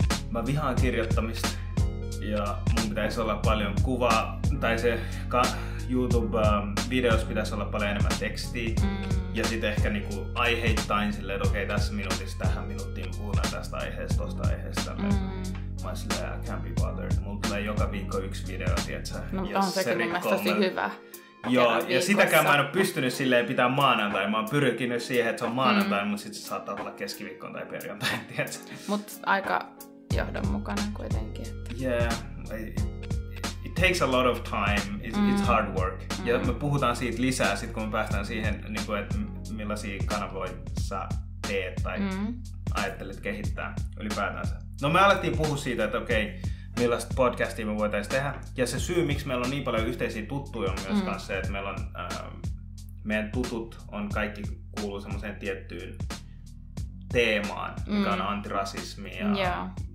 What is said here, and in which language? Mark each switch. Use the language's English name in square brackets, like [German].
[Finnish] Mä vihaan kirjoittamista. Ja mun pitäisi olla paljon kuvaa. Tai se YouTube-videos pitäisi olla paljon enemmän tekstiä. Ja sit ehkä niinku aiheittain silleen, että okei, tässä minuutissa, tähän minuuttiin puhutaan tästä aiheesta, tosta aiheesta. Mä oon silleen, [English] I can't be bothered. [Finnish] Mulla tulee joka viikko 1 video, tietsä. No, ja on sekin mun mielestä tosi hyvä. Joo, ja sitäkään mä en ole pystynyt silleen pitää maanantai. Mä oon pyrkinyt siihen, että se on maanantai, mutta sitten se saattaa tulla keskiviikkoon tai perjantai, tiedätkö? Mutta aika johdonmukainen kuitenkin. Että... [English] Yeah, it takes a lot of time, it's hard work. [Finnish] Ja me puhutaan siitä lisää, sit kun me päästään siihen, niin kuin, että millaisia kanavoja sä teet tai ajattelet kehittää ylipäätänsä. No, me alettiin puhua siitä, että okei, millaista podcastia me voitaisiin tehdä. Ja se syy, miksi meillä on niin paljon yhteisiä tuttuja, on myös se, että meillä on, meidän tutut on kaikki kuuluu semmoiseen tiettyyn teemaan, mikä on antirasismi ja